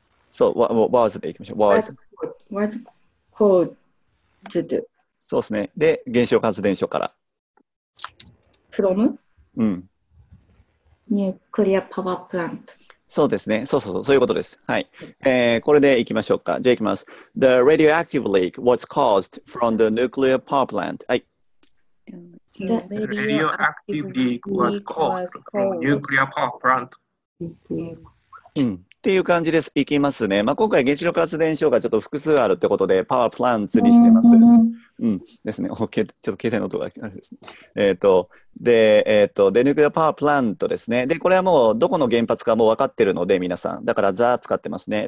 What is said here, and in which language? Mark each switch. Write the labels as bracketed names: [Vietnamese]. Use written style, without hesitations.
[Japanese] そう、ワーズでいきましょう。ワーズ。 [English] ワーズコード [Japanese] で。そうですね。で、原子力発電所から。 [English] from、 [Japanese] うん、 [English] ニュークリアパワープラント。 [Japanese] そうですね、そうそうそう、そういうことです。はい、これでいきましょうか。じゃあいきます。 [English] The radioactive leak was caused from the nuclear power plant。 [Japanese] はい、 [English] The radioactive leak was caused from nuclear power plant、 [Japanese] うん、っていう感じです。いきますね。まあ、今回原子力発電所がちょっと複数あるってことで、パワープランツにしてます。うん。ですね。ちょっと携帯の音があれですね。で、ニュークリアパワープラントですね。で、これはもうどこの原発かもう分かってるので、皆さん。だから、ザ使ってますね。